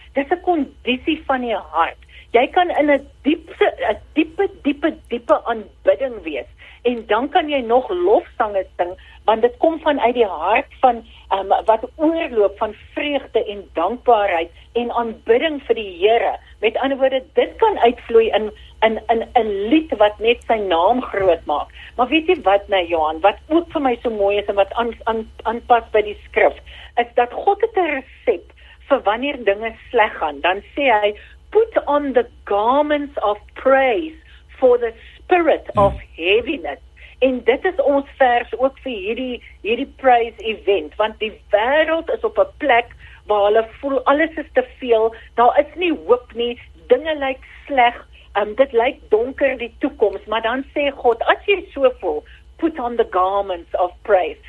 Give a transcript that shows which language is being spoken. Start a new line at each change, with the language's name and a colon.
Afrikaans: Dit is 'n kondisie van die hart. Jy kan in 'n diepe aanbidding wees, en dan kan jy nog lofsange sing, want dit kom vanuit die hart van wat oorloop van vreugde en dankbaarheid en aanbidding vir die Here. Met ander woorde, dit kan uitvloei in 'n lied wat net sy naam groot maak. Maar weet jy wat nou, Johan, wat ook vir my so mooi is en wat aanpas by die skrif, is dat God het 'n resep vir wanneer dinge sleg gaan. Dan sê hy,
English: put on the garments of praise for the spirit of heaviness.
Afrikaans: En dit is ons vers ook vir hierdie praise event, want die wêreld is op 'n plek waar hulle voel alles is te veel, daar is nie hoop nie, dinge lyk sleg, dit lyk donker die toekoms, maar dan sê God, as jy so voel,
English: put on the garments of praise.